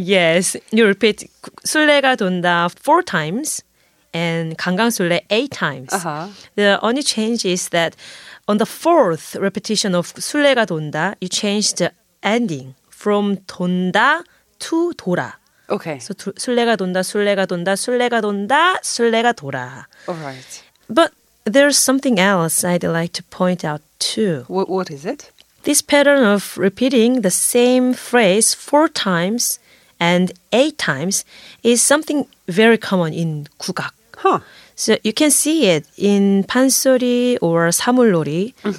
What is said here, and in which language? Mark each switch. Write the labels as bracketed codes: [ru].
[en] Yes, you repeat [ko] 술래가 돈다 [en] four times and 강강술래 eight times. The only change is that on the fourth repetition of [ko] 술래가 돈다, [en] you change the ending from 돈다 to 돌아. Okay. [ko] So 술래가 돈다, 술래가 돈다, 술래가 돈다, 술래가 돌아. [en] All right. But there's something else I'd like to point out too. What is it? This pattern of repeating the same phrase four times and eight times is something very common in 국악. Huh. So you can see it in 판소리 or 사물놀이.